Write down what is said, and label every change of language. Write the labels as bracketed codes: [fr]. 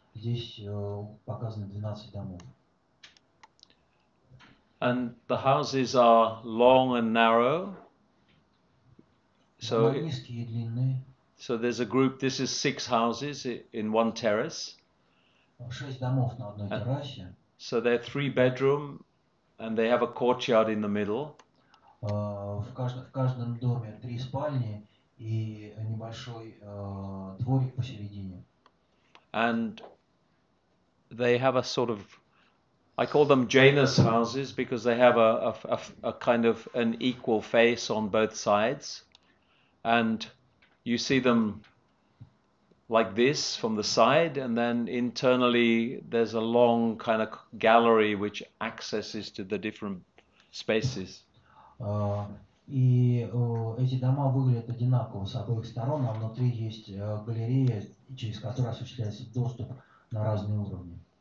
[ru] Здесь показаны 12 домов. [en] And the houses are long and narrow. [ru] So, низкие, длинные. [en] So there's a group, this is 6 houses in one terrace. [ru] 6 домов на одной террасе. [en] So they're 3 bedroom and they have a courtyard in the middle. [ru] В каждом доме 3 спальни и небольшой дворик посередине. [en] And they have a sort of, I call them Janus houses because they have a kind of an equal face on both sides. And you see them like this from the side, and then internally there's a long kind of gallery which accesses to the different spaces. [ru] Эти дома выглядят одинаково с обоих сторон, а внутри есть галерея, через которую осуществляется доступ на разные уровни.